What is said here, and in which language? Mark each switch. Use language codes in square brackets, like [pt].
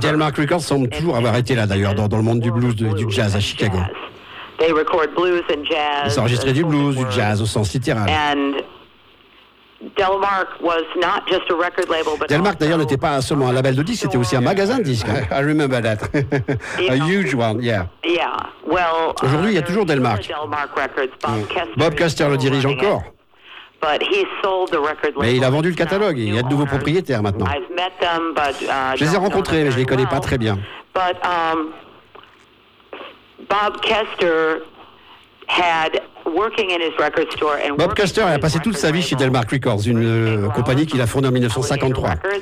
[fr] Delmark Records semble toujours avoir été là, d'ailleurs, dans le monde du blues et du jazz à Chicago. [en] They record blues and jazz. [fr] Ils enregistraient du blues, du jazz au sens littéral. [en] And Delmark was not just a record label, but [fr] Delmark d'ailleurs n'était pas seulement un label de disques, c'était aussi un magasin de disques. [en] I remember that. A huge one, yeah. Yeah. Well, [fr] aujourd'hui, il y a toujours Delmark. Delmark Records, Bob Kester le dirige encore. [en] But he sold the record label. [fr] Mais il a vendu le catalogue, il y a de nouveaux propriétaires maintenant. [en] I've met them, but, [fr] je les ai rencontrés, mais je ne les connais pas très bien. [en] But Bob Kester had working in his record store and [fr] Bob Kester a passé toute sa vie chez Delmark Records, une compagnie qu'il a fondée en 1953.